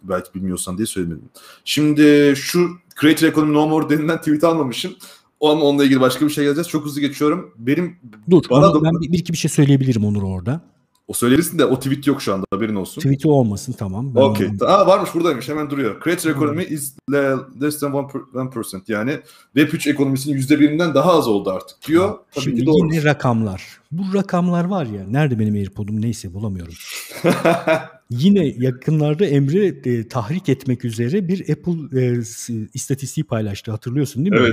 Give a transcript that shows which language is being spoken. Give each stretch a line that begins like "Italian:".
Turkish: Belki bilmiyorsan diye söylemedim. Şimdi şu Creator Economy No More denilen tweet'i almamışım. Onunla ilgili başka bir şey geleceğiz. Çok hızlı geçiyorum. Benim ben bir iki bir şey söyleyebilirim Onur orada. O söylerisin de o tweet yok şu anda, haberin olsun. Tweet'i olmasın, tamam. Okey. Varmış, buradaymış, hemen duruyor.
English: Creator Economy is less than 1%.
Turkish: Yani Web3 ekonomisinin %1'inden daha az oldu artık diyor. Ha, tabii şimdi yine rakamlar. Bu rakamlar var ya, nerede benim AirPod'um, neyse bulamıyorum. Yine yakınlarda Emre tahrik etmek üzere bir Apple istatistiği paylaştı, hatırlıyorsun değil mi?